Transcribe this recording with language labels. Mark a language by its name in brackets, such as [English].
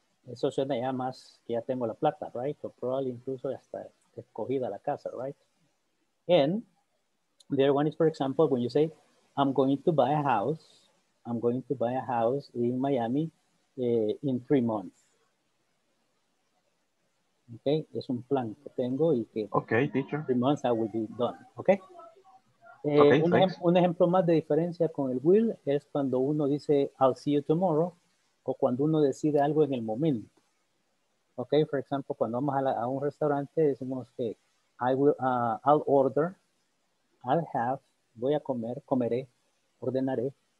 [Spanish] Eso suena ya más que ya tengo la plata, right? O probably incluso hasta escogida la casa, right? [English] And the other one is, for example, when you say, I'm going to buy a house in Miami in 3 months. [Spanish] Okay, es un plan que tengo y que [English] okay, teacher. 3 months I will be done, okay? Okay, [Spanish] un ejemplo más de diferencia con el will es cuando uno dice, [English] I'll see you tomorrow, [Spanish] o cuando uno decide algo en el momento. Okay, [English] for example, [Spanish] cuando vamos a un restaurante, decimos que voy a comer, comeré, ordenaré.